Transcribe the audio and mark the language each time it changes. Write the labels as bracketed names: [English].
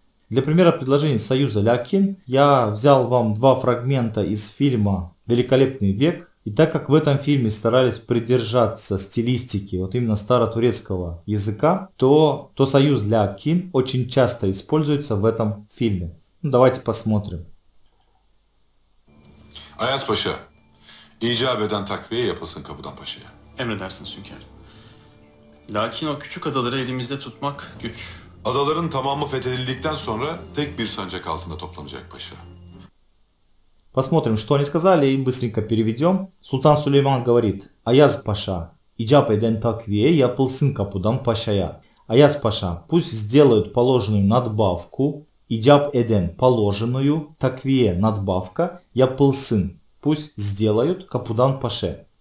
[Russian] Для примера предложений союза «лякин» я взял вам два фрагмента из фильма «Великолепный век». И так как в этом фильме старались придержаться стилистики вот именно старотурецкого языка, то союз «лякин» очень часто используется в этом фильме. Ну, давайте посмотрим. [Turkish] Ayas Paşa, icap eden takviye yapılsın kapıdan paşaya. Emredersin Sünker. Lakin o küçük adaları elimizde tutmak güç. Adaların tamamı fethedildikten sonra tek bir sancak altında toplanacak paşa. [Russian] Посмотрим, что они сказали, и быстренько переведем. Султан Сулейман говорит: [Turkish] «Аяз паша, иджап эден такве, я пылсын капудан пашая». [Russian] «Аяз паша, пусть сделают положенную надбавку, [Turkish] иджап эден [Russian] положенную, такве надбавка, [Turkish] я пылсын, [Russian] пусть сделают капудан паше».